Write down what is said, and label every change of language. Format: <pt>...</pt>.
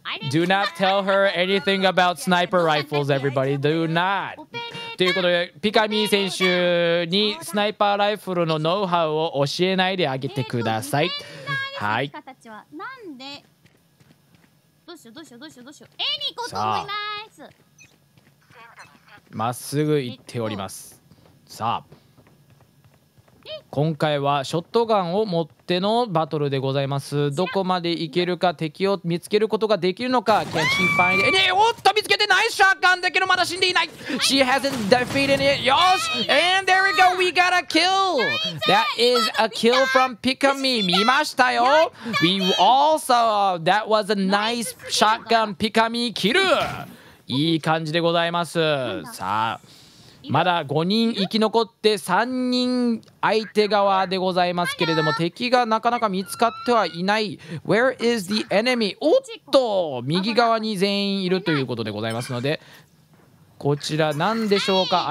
<en>Do not tell her anything about sniper rifles, everybody. Do not.</en> <ja>ということで、ピカミー選手にスナイパーライフルのノウハウを教えないであげてください。はい。なんで、どうしよう。 A に行こうと思います。まっすぐ行っております。さあ。今回はショットガンを持ってのバトルでございます。どこまで行けるか、敵を見つけることができるのか。キャッチンファイン、ね、おっと見つけてナイスシャーガンだけどまだ死んでいない。</ja> <en>She hasn't defeated it. よし、 And there we go, we got a kill. That is a kill from Pikamee.</en> <ja>見ましたよ。</ja> <en>We also, that was a nice shotgun Pikamee kill.</en> <ja>いい感じでございます。さあまだ5人生き残って3人相手側でございますけれども、敵がなかなか見つかってはいない。</ja> <en>Where is the enemy?</en> <ja>おっと右側に全員いるということでございますので、こちら何でしょうか。</ja>